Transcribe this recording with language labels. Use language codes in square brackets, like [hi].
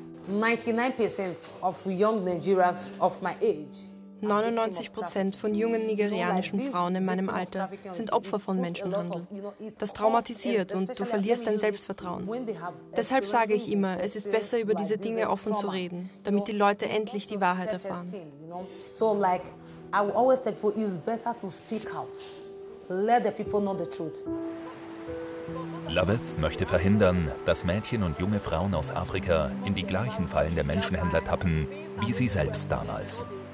[de] 99% von jungen nigerianischen Frauen in meinem Alter sind Opfer von Menschenhandel. Das traumatisiert und du verlierst dein Selbstvertrauen. Deshalb sage ich immer, es ist besser, über diese Dinge offen zu reden, damit die Leute endlich die Wahrheit erfahren. [en] So, like, I will always tell people, it's better to speak out. Let the people know the truth. [de] Lovett möchte verhindern, dass Mädchen und junge Frauen aus Afrika in die gleichen Fallen der Menschenhändler tappen, wie sie selbst damals.